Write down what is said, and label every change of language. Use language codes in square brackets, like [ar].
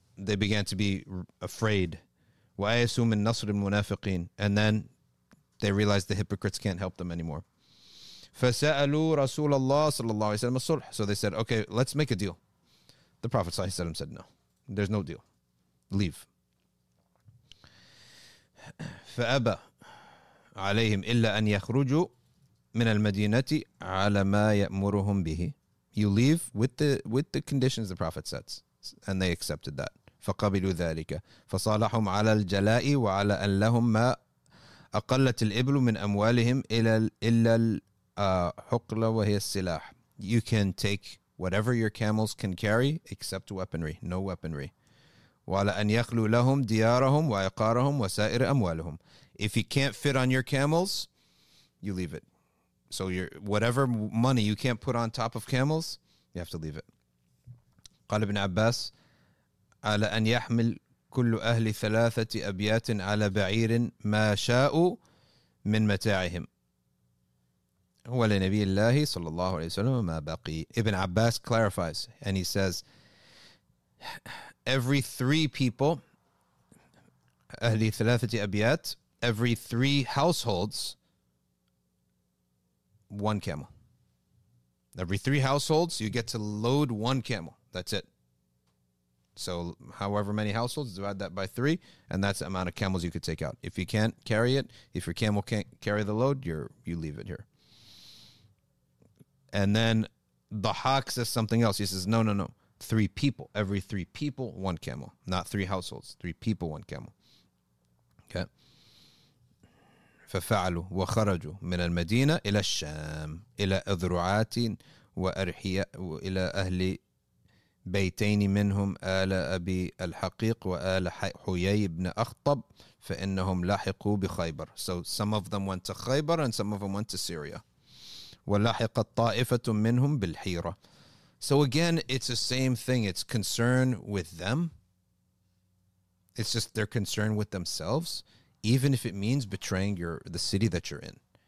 [en] They began to be afraid. [ar] وَأَيَسُوا مِنْ نَصْرِ الْمُنَافِقِينَ. [en] And then they realized the hypocrites can't help them anymore. [ar] فسألوا رسول الله صلى الله عليه وسلم الصلح. [en] So they said, okay, let's make a deal. The Prophet صلى الله عليه وسلم said, no, there's no deal. Leave. [ar] فأبى عليهم إلا أن يخرجوا من المدينة على ما يأمرهم به. [en] You leave with the conditions the Prophet sets. And they accepted that. [ar] فقبلوا ذلك. فصالحهم على الجلاء وعلى أن لهم ما أقلت الإبل من أموالهم إلى إلا الحقل وهي السلاح. [en] You can take whatever your camels can carry except weaponry, no weaponry. [ar] وعلى أن يخلو لهم ديارهم وعقارهم وسائر أموالهم. [en] If you can't fit on your camels, you leave it. So your whatever money you can't put on top of camels, you have to leave it. [ar] قال ابن عباس على أن يحمل كل أهل 3 أبيات على بعير ما شاء من متاعهم هو لنبي الله صلى الله عليه وسلم ما بقي. [en] Ibn Abbas clarifies and he says every 3 people [ar] أهل 3 أبيات, [en] every 3 households 1 camel. Every 3 households you get to load 1 camel. That's it. So however many households, divide that by 3, and that's the amount of camels you could take out. If you can't carry it, if your camel can't carry the load, you leave it here. And then Dahak says something else. He says, no, 3 people. Every 3 people, 1 camel. Not 3 households, 3 people, 1 camel. Okay. [ar] فَفَعَلُوا وَخَرَجُوا مِنَ الْمَدِينَةِ إِلَى الشَّامِ إِلَى أَذْرُعَاتٍ وَأَرْحِيَ وَإِلَى أَهْلِ بيتين منهم آل أبي الحقيق وآل حيي بن أخطب فإنهم لحقوا بخيبر. [en] So some of them went to Khaybar and some of them went to Syria. [ar] ولحقت طائفة منهم بالحيرة. [en] So again, it's the same thing. It's concern with them It's just they're concerned with themselves, even if it means betraying the city that you're in.